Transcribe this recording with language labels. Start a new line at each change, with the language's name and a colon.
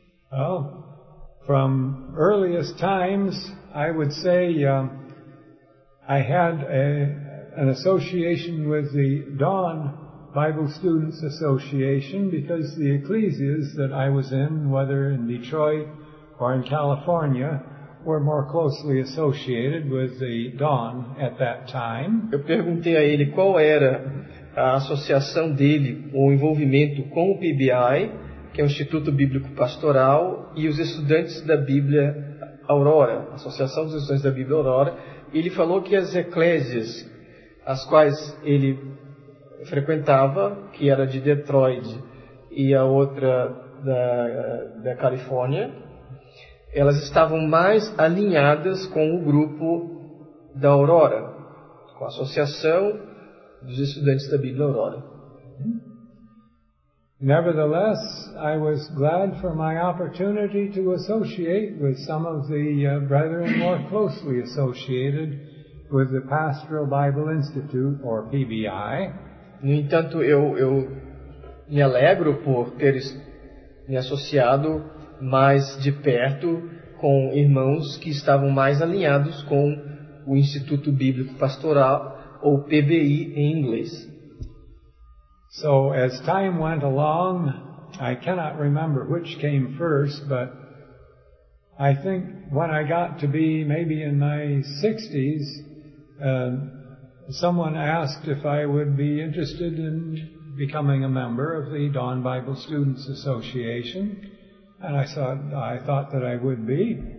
English: Oh, from earliest times, I would say I had an association with the Dawn Bible Students Association because the ecclesias that I was in, whether in Detroit or in California, were more closely associated with the Dawn at that time.
Portuguese: Eu perguntei a ele qual era a associação dele, o envolvimento com o PBI, que é o Instituto Bíblico Pastoral, e os estudantes da Bíblia Aurora, Associação dos Estudantes da Bíblia Aurora. Ele falou que as eclésias, as quais ele frequentava, que era de Detroit e a outra da Califórnia, elas estavam mais alinhadas com o grupo da Aurora, com a Associação dos Estudantes da Bíblia Aurora.
English: Nevertheless, I was glad for my opportunity to associate with some of the brethren more closely associated with the Pastoral Bible Institute, or PBI.
Portuguese: No entanto, eu me alegro por ter me associado mais de perto com irmãos que estavam mais alinhados com o Instituto Bíblico Pastoral, ou PBI em inglês.
English: So as time went along, I cannot remember which came first, but I think when I got to be maybe in my 60s, someone asked if I would be interested in becoming a member of the Dawn Bible Students Association, and I thought that I would be.